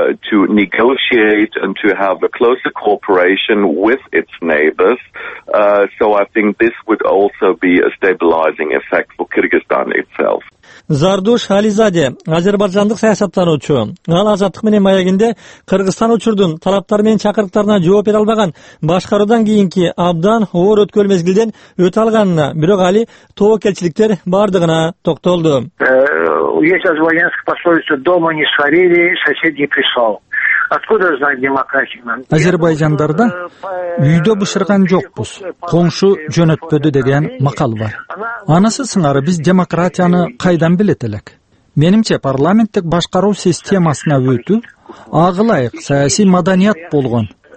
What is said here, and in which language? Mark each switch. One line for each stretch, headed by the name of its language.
English: To negotiate and to have a closer cooperation with its neighbors. So I think this would also be a stabilizing effect for Kyrgyzstan itself.
Kyrgyz: Зардуш Ализаде, азербайжандык саясаттануучу. Ал Азаттык менен маегинде Кыргызстан учурдун талаптары менен чакырыктарына жооп бере албаган башкаруудан кийинки абдан оор өткөн мезгилден өтө алганына, бирок али тоокелчиликтер бардыгына токтолду.
Russian: Есть азербайджанская пословица: дома не сварили, сосед не прислал. Откуда знать демократию?
Kyrgyz: Азербайджандарда үйдө бышырган жокпуз, коңшу жөнөтпөдү деген макал бар. Анысы сыңары биз демократияны кайдан билет элек? Менимче парламенттик башкаруу системасына өтүү ага ылайык саясий маданият болгон.